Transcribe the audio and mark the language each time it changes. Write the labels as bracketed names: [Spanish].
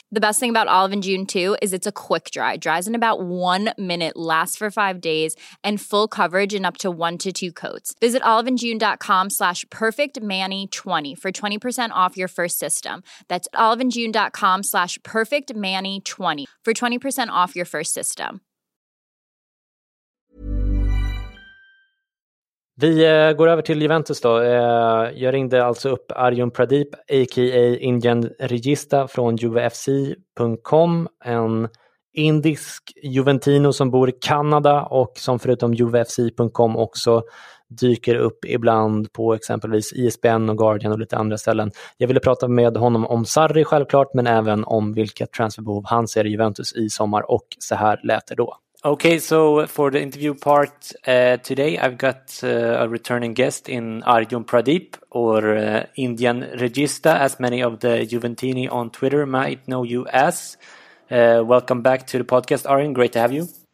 [English] The best thing about Olive & June, too, is it's a quick dry. It dries in about 1 minute, lasts for 5 days, and full coverage in up to 1 to 2 coats. Visit oliveandjune.com/perfectmanny20 for 20% off your first system. That's oliveandjune.com/perfectmanny20 for 20% off your first system. [Swedish] Vi går över till Juventus då. Jag ringde alltså upp Arjun Pradeep, a.k.a. Indian Regista från juvefc.com, en indisk juventino som bor i Kanada och som förutom juvefc.com också dyker upp ibland på exempelvis ESPN och Guardian och lite andra ställen. Jag ville prata med honom om Sarri självklart, men även om vilka transferbehov han ser i Juventus i sommar, och så här lät det då. [English] Okay, so for the interview part today, I've got a returning guest in Arjun Pradeep, or Indian Regista, as many of the Juventini on Twitter might know you as. Welcome back to the podcast, Arjun. Great to have you.